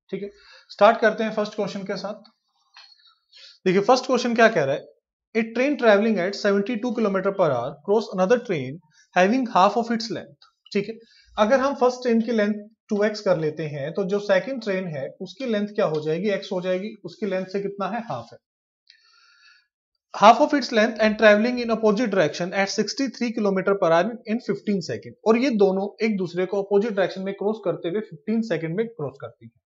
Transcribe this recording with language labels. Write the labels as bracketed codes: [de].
[hi] ठीक है, स्टार्ट करते हैं फर्स्ट क्वेश्चन के साथ। देखिए फर्स्ट क्वेश्चन क्या कह रहा है, [en] A train travelling at 72 kilometre per hour cross another train having half of its length. [hi] ठीक है, अगर हम फर्स्ट ट्रेन की लेंथ 2x कर लेते हैं तो जो सेकेंड ट्रेन है उसकी लेंथ क्या हो जाएगी, x हो जाएगी, उसकी लेंथ से कितना है, हाफ है। [en] Half of its length and traveling in opposite direction at 63 km per hour in 15 seconds. [hi] और ये दोनों एक दूसरे को opposite direction में cross करते हुए 15 second में cross करती है।